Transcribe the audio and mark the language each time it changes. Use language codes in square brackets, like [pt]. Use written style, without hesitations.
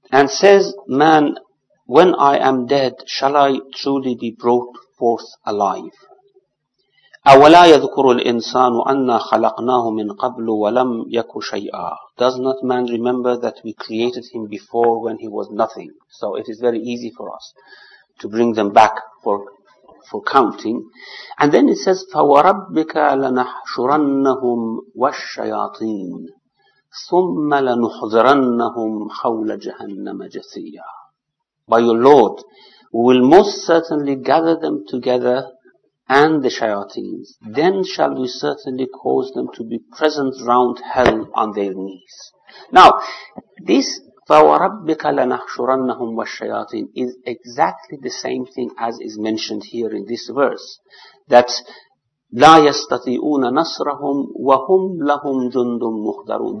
[en] And says, man, when I am dead, shall I truly be brought forth alive? [ar] أَوَلَا يَذْكُرُ الْإِنسَانُ أَنَّا خَلَقْنَاهُ مِنْ قَبْلُ وَلَمْ يَكُ شَيْئًا. [en] Does not man remember that we created him before when he was nothing? So it is very easy for us to bring them back for counting. And then it says, [ar] فَوَرَبِّكَ لَنَحْشُرَنَّهُمْ وَالشَّيَاطِينَ ثُمَّ لَنُحْذَرَنَّهُمْ حَوْلَ جَهَنَّمَ جَثِيًّا. [en] By your Lord, we will most certainly gather them together and the shayateens, then shall we certainly cause them to be present round hell on their knees. Now, this [ar] فَوَرَبِّكَ لَنَحْشُرَنَّهُمْ وَالشَّيَاطِينَ [en] is exactly the same thing as is mentioned here in this verse, that [ar] لَا يَسْتَطِيعُونَ نَصْرَهُمْ وَهُمْ لَهُمْ جُنْدٌ مُخْدَرُونَ.